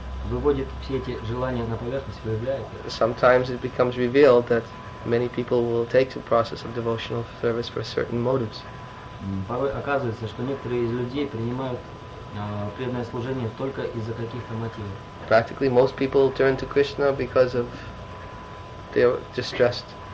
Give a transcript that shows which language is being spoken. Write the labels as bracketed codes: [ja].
[ru] выводит все эти желания на поверхность, выявляет. [en] Sometimes it becomes revealed that many people will take the process of devotional service for certain motives. [ru] Порой оказывается, что некоторые из людей принимают преданное служение только из-за каких-то мотивов. [en] Practically most people turn to Krishna because of their distressed.